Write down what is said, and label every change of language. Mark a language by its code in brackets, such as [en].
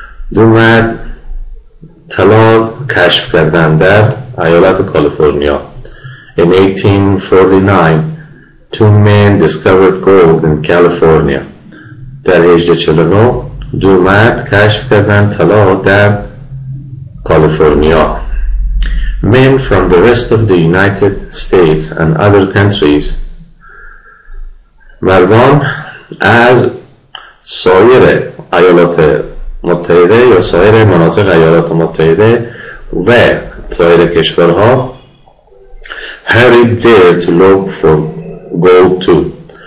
[fa] دو مرد طلا کشف کردند در ایالت کالیفرنیا. [en] In 1849 two men discovered gold in California. [fa] در 1849 دو مرد کشف کردند طلا در کالیفرنیا. [en] Men from the rest of the United States and other countries. [fa] مردان از سایر ایالات متحده یا سایر مناطق ایالات متحده و سایر کشورها [en] hurried there to look for gold too.